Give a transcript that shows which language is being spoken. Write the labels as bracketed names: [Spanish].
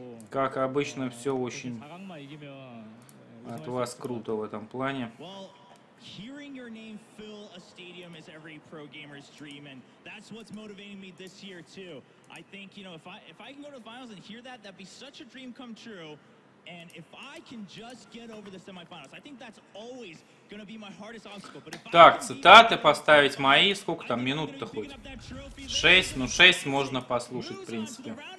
[Russian] Как обычно, все очень от вас круто в этом плане. [English] Hearing your name fill a stadium is every pro gamer's dream, and that's what's motivating me this year too. I think, you know, if I can go to the finals and hear that, that'd be such a dream come true. And if I can just get over the semifinals, I think that's always gonna be my hardest obstacle. But if [Russian] так, цитаты поставить мои, сколько там минут-то хоть? Шесть, ну шесть можно послушать, в принципе.